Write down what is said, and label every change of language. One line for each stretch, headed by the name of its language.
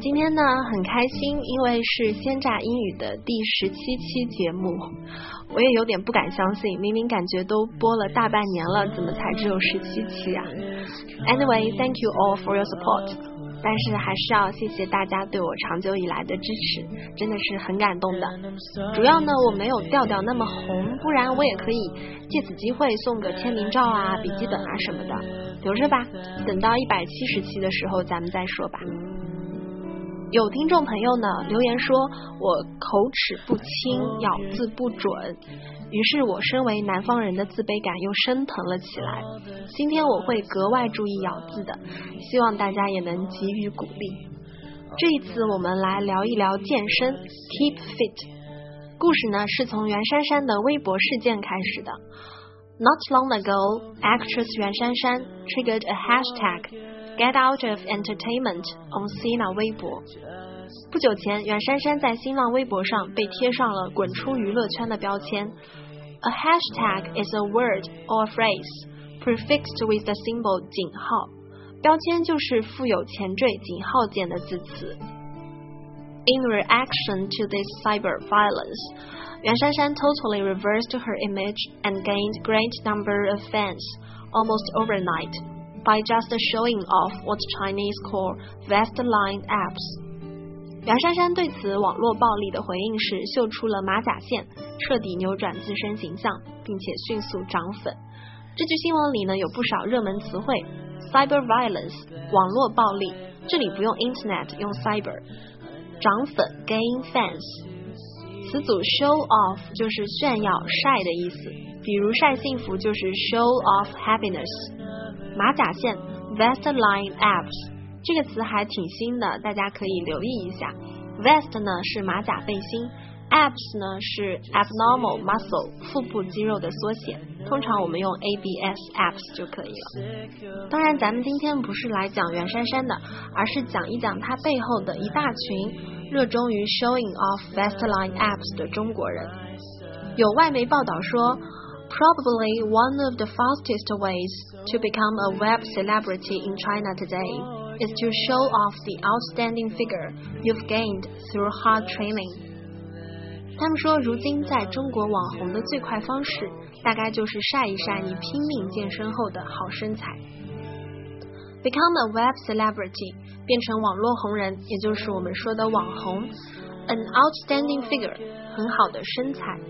Chinese: 今天呢很开心，因为是鲜榨英语的第十七期节目。我也有点不敢相信，明明感觉都播了大半年了，怎么才只有十七期啊？
English: Anyway, thank you all for your support.
Chinese: 但是还是要谢谢大家对我长久以来的支持，真的是很感动的。主要呢，我没有调调那么红，不然我也可以借此机会送个签名照啊、笔记本啊什么的，留着吧，等到170期的时候咱们再说吧。有听众朋友呢留言说我口齿不清，咬字不准，于是我身为南方人的自卑感又升腾了起来。今天我会格外注意咬字的，希望大家也能给予鼓励。这一次我们来聊一聊健身 Keep Fit。故事呢是从袁姗姗的微博事件开始的。
English: Not long ago, actress 袁姗姗 triggered a hashtag Get out of entertainment on Sina 微博。
Chinese: 不久前，袁姗姗在新浪微博上被贴上了滚出娱乐圈的标签。
English: A hashtag is a word or phrase prefixed with the symbol
Chinese: 井号，标签就是附有前缀井号键的字词。
English: In reaction to this cyber violence, 袁姗姗 totally reversed her image and gained great number of fans almost overnight by just showing off what Chinese call vest line apps.
Chinese: 袁姗姗对此网络暴力的回应是秀出了马甲线，彻底扭转自身形象，并且迅速涨粉。这句新闻里呢有不少热门词汇， cyber violence 网络暴力，这里不用 internet 用 cyber， 涨粉
English: gain fans，
Chinese: 词组 show off 就是炫耀晒的意思，比如晒幸福就是
English: show off happiness。
Chinese: 马甲线 vest line apps 这个词还挺新的，大家可以留意一下。 vest 呢是马甲背心， apps 呢是 abnormal muscle 腹部肌肉的缩写，通常我们用 abs apps 就可以了。当然咱们今天不是来讲袁姗姗的，而是讲一讲她背后的一大群热衷于
English: showing off vest line apps
Chinese: 的中国人。有外媒报道说
English: Probably one of the fastest ways to become a web celebrity in China today is to show off the outstanding figure you've gained through hard training.
Chinese: 他们说如今在中国网红的最快方式大概就是晒一晒你拼命健身后的好身材。
English: Become a web celebrity,
Chinese: 变成网络红人，也就是我们说的网红，
English: an outstanding figure,
Chinese: 很好的身材。